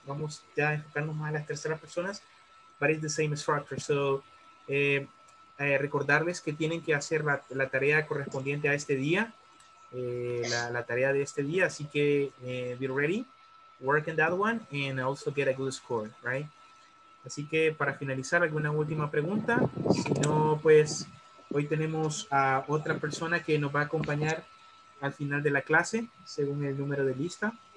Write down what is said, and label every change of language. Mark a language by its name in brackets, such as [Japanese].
[Spanish] Vamos ya a enfocarnos más en las terceras personas. [English] But it's the same structure. [Spanish] So, recordarles que tienen que hacer la tarea correspondiente a este día, la tarea de este día. Así que, [English] be ready, work on that one, and also get a good score, right? [Spanish] Así que, para finalizar, alguna última pregunta. Si no, pues, hoy tenemos a otra persona que nos va a acompañar al final de la clase, según el número de lista.